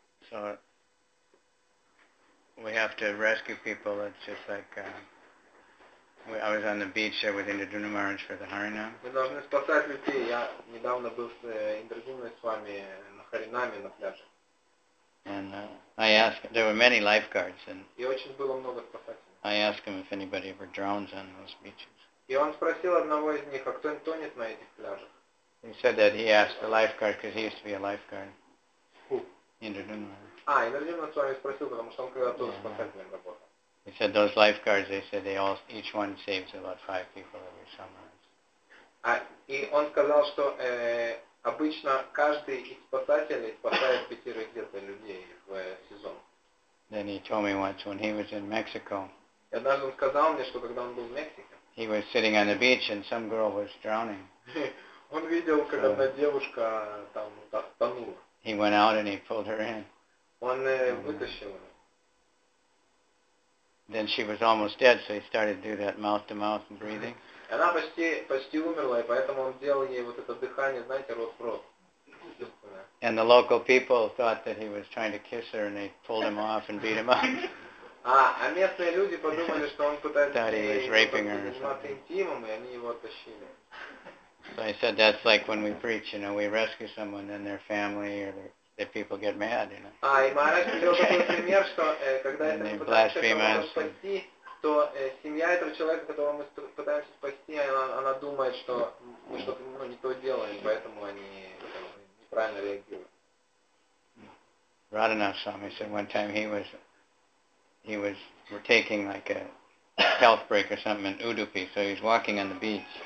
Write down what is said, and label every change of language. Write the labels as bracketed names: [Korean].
[English] So we have to rescue people. It's just like I was on the beach there with Indrajuna Maharaj for the Harinam. [Russian] Мы должны спасать людей. Я недавно был с Индрагуной с вами на Харинаме на пляже. [English] And I asked. There were many lifeguards, and [Russian] и очень было много спасателей. [English] I asked him if anybody ever drowns on those beaches. [Russian] И он спросил одного из них, а кто тонет на этих пляжах? [English] He said that he asked the lifeguard because he used to be a lifeguard. Who? Indrajuna. [Russian] Indrajuna с вами спросил, потому что он когда-то тоже спасателем работал. [English] He said those lifeguards. They said they all, each one saves about 5 people every summer. [Russian] И он сказал, что обычно каждый из спасателей спасает 5 где-то людей в сезон. [English] Then he told me once when he was in Mexico. [Russian] И однажды он сказал мне, что когда он был в Мексике. [English] He was sitting on the beach and some girl was drowning. [Russian] Он видел, как одна девушка там тонула. [English] He went out and he pulled her in. [Russian] Он вытащил ее. [English] Then she was almost dead, so he started to do that mouth-to-mouth breathing. [Russian] Она почти умерла, и поэтому он делал ей вот это дыхание, знаете, рот в рот. [English] And the local people thought that he was trying to kiss her, and they pulled him off and beat him up. [Russian] А местные люди подумали, что он пытается заниматься интимом, и они его оттащили. [English] So I said, that's like when we preach, you know, we rescue someone and their family or their that people get mad, you know. [Russian] И Махарадж привел такой пример, что когда это пытаемся спасти, то семья этого человека, которого мы пытаемся спасти, она думает, что мы что-то не то делаем, поэтому они неправильно реагируют. Радханас Свами said one time he was taking like a health break or something in Udupi, so he's walking on the beach.